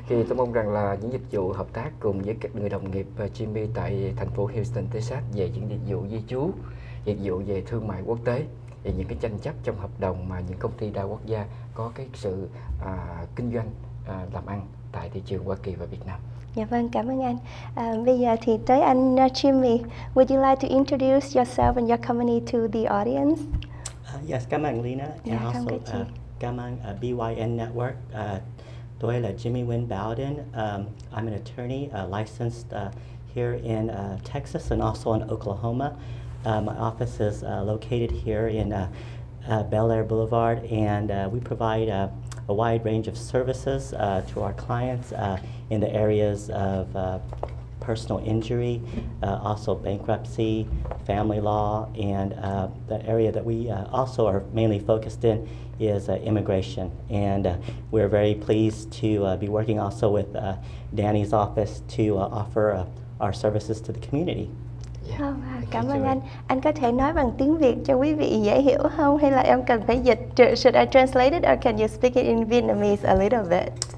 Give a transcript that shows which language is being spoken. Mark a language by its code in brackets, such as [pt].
[vi] Thì tôi mong rằng là những dịch vụ hợp tác cùng với các người đồng nghiệp Jimmy tại thành phố Houston, Texas về những dịch vụ di trú, dịch vụ về thương mại quốc tế, về những cái tranh chấp trong hợp đồng mà những công ty đa quốc gia có cái sự kinh doanh làm ăn tại thị trường Hoa Kỳ và Việt Nam. Dạ vâng, cảm ơn anh. Bây giờ thì tới anh Jimmy. [en] Would you like to introduce yourself and your company to the audience? Yes, [vi] cảm ơn Lena. [en] Yeah, and also, [vi] cảm ơn BYN Network. Tôi là Jimmy Nguyễn Bowden. [en] I'm an attorney licensed here in Texas and also in Oklahoma. My office is located here in Bel Air Boulevard, and we provide a wide range of services to our clients in the areas of personal injury, also bankruptcy, family law, and the area that we also are mainly focused in is immigration. And we're very pleased to be working also with Danny's office to offer our services to the community. [vi] Cảm ơn anh. Anh có thể nói bằng tiếng Việt cho quý vị dễ hiểu không? Hay là em cần phải dịch? [en] Should I translate it or can you speak it in Vietnamese a little bit?